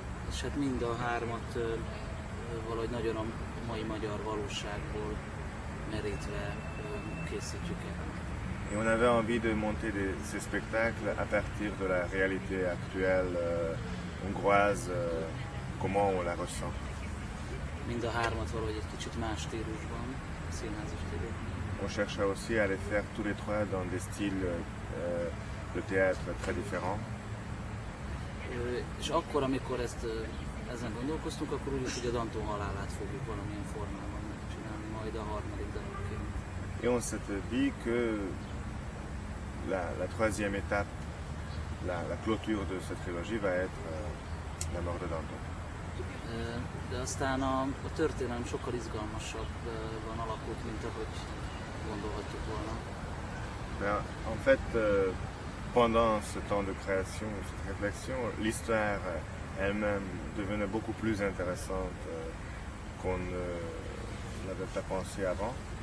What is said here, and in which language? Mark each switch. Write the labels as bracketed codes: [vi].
[hu] És hát mind a hármat valahogy nagyon a mai magyar valóságból merítve készítjük el. [fr] Et on avait envie de monter ces spectacles à partir de la réalité actuelle hongroise, comment on la ressent. [hu] Mind a hármat valahogy egy kicsit más stílusban, színházi stílusban. [fr] On cherchait aussi à les faire tous les trois dans des styles de théâtre très différents. [hu] És akkor, amikor ezen gondolkoztunk, akkor úgy, hogy a Danton halálát fogjuk valamilyen formában megcsinálni, majd a harmadik darabként. [fr] Et on s'était dit que la troisième étape, la clôture de cette trilogie va être la mort de Danton. [hu] De aztán a történelem sokkal izgalmasabban alakult, mint ahogy gondolhattuk volna. [fr] Mais en fait, pendant ce temps de création, cette réflexion, l'histoire elle-même devenait beaucoup plus intéressante qu'on ne l'avait pas pensé avant.